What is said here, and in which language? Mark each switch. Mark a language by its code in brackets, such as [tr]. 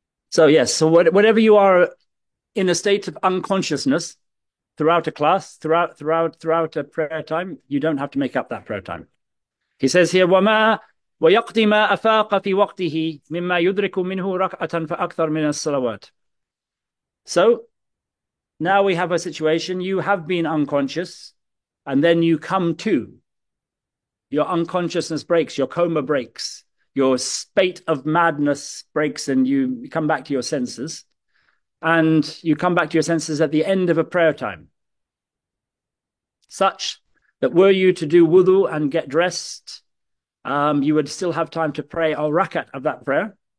[en] So yes, so whatever you are in a state of unconsciousness throughout a class, throughout a prayer time, you don't have to make up that prayer time. He says here, [ar] وَمَا وَيَقْضِي مَا أَفَاقَ فِي وَقْتِهِ مِمَّا يُدْرِكُ مِنْهُ رَكْعَةً فَأَكْثَر مِنَ الصَّلَوَاتِ. [en] So now we have a situation, you have been unconscious, and then you come to. Your unconsciousness breaks, your coma breaks, your spate of madness breaks, and you come back to your senses. And you come back to your senses at the end of a prayer time. Such that were you to do wudu and get dressed, you would still have time to pray a rakat of that prayer.